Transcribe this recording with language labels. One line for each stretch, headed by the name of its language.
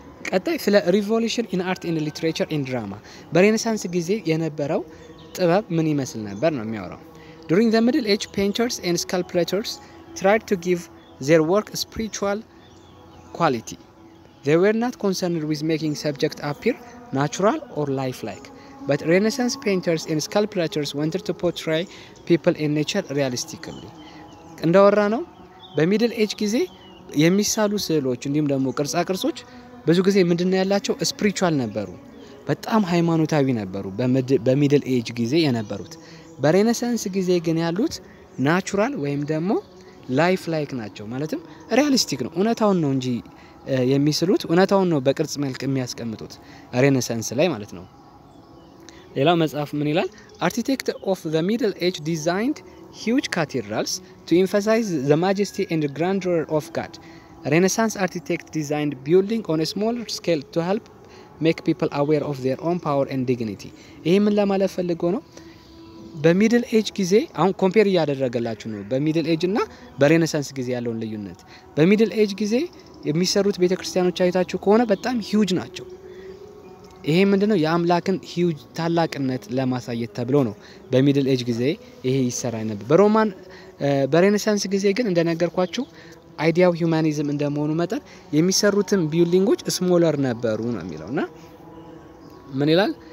Amharic: ቀጣይ ስለ ሪቮሉሽን ኢን አርት ኢን ሊትሬቸር ኢን ድራማ በሬነሳንስ ጊዜ የነበረው ጥበብ ምን ይመስል ነበር ነው የሚያወራው።
English: During the Middle Age, painters and sculptors tried to give their work spiritual quality. They were not concerned with making subject appear natural or lifelike. But Renaissance painters and sculptors wanted to portray people in nature realistically.
Amharic: እንደወራ ነው በሚድል ኤጅ ጊዜ የሚሳሉ ስዕሎች እንዲሁም ደግሞ ቅርጻ ቅርጾች ብዙ ጊዜ ምንድነው ያላቸው? spiritual ነበሩ። በጣም ሃይማኖታዊ ነበሩ በሚድል ኤጅ ጊዜ የነበሩት። በሬነሳንስ ጊዜ ግን ያሉት ናቹራል ወይም ደግሞ ላይፍ ላይክ ናቸው። ማለትም ሪያሊስቲክ ነው፣ እውነታውን ነው እንጂ የሚስሉት፣ እውነታውን ነው በቅርጽ መልክ የሚያስቀምጡት ሬነሳንስ ላይ ማለት ነው። ሌላው መጽሐፍ ምን ይላል?
English: Architect of the Middle Age designed huge cathedrals to emphasize the majesty and grandeur of God. Renaissance architect designed building on a smaller scale to help make people aware of their own power and dignity.
Amharic: ይሄም ለማለት ፈልጎ ነው። በሚድል ኤጅ ጊዜ አሁን ኮምፔር ያደረገላችሁ ነው በሚድል ኤጅ እና በሬነሳንስ ጊዜ ያለውን ልዩነት። በሚድል ኤጅ ጊዜ የሚሰሩት ቤተክርስቲያኖች አይታችሁ ከሆነ በጣም ሂዩጅ ናቸው። ይሄ ምንድነው? የአምላክን ሂዩጅ ታላቅነት ለማሳየት ተብሎ ነው በሚድል ኤጅ ጊዜ ይሄ ይሰራ ነበር። በሮማን በሬነሳንስ ጊዜ ግን እንደነገርኳችሁ
English: idea of humanism
Amharic: እንደመሆኑ መጠን የሚሰሩትም ቢልዲንጎች ስሞለር ነበሩ ነው የሚለውና ምን ይላል?